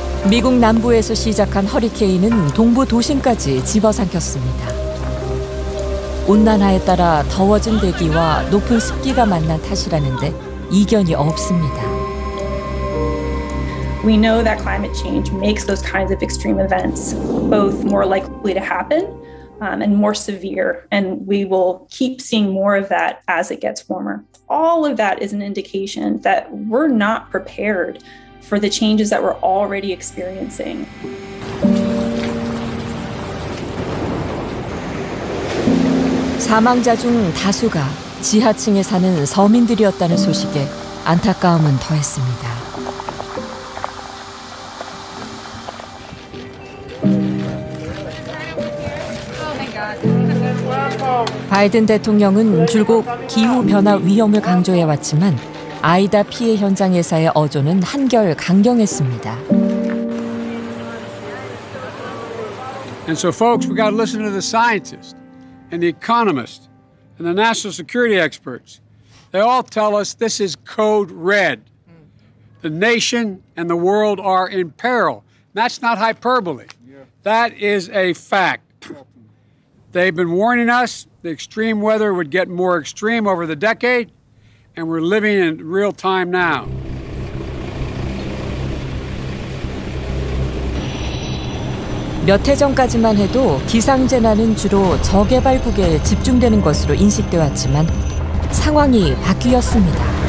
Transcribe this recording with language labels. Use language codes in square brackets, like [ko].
[ko] 미국 남부에서 시작한 허리케인은 동부 도심까지 집어삼켰습니다. 온난화에 따라 더워진 대기와 높은 습기가 만난 탓이라는데 이견이 없습니다. [en] We know that climate change makes those kinds of extreme events both more likely to happen. And more severe, and we will keep seeing more of that as it gets warmer. All of that is an indication that we're not prepared for the changes that we're already experiencing. [ko] 사망자 중 다수가 지하층에 사는 서민들이었다는 소식에 안타까움은 더했습니다. 바이든 대통령은 줄곧 기후변화 위험을 강조해왔지만 아이다 피해 현장 회사의 어조는 한결 강경했습니다. [en] And so folks, we got to listen to the scientists and the economists and the national security experts. They all tell us this is code red. The nation and the world are in peril. That's not hyperbole. That is a fact. They've been warning us the extreme weather would get more extreme over the decade, and we're living in real time now. [ko] 몇 해 전까지만 해도 기상 재난은 주로 저개발국에 집중되는 것으로 인식되었지만 상황이 바뀌었습니다.